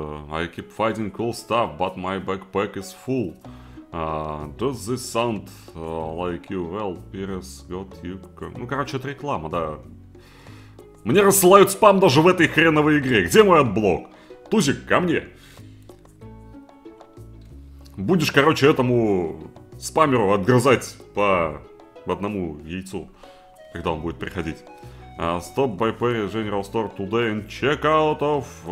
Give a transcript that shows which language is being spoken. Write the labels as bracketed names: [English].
[English] I keep fighting cool stuff, but my backpack is full. Does this sound like you? Well, Pires got you. [Russian] Ну, короче, это реклама, да. Мне рассылают спам даже в этой хреновой игре. Где мой отблок? Тузик, ко мне. Будешь, короче, этому спамеру отгрызать по одному яйцу. Когда он будет приходить. [English] Stop by Perry General Store today and check out of...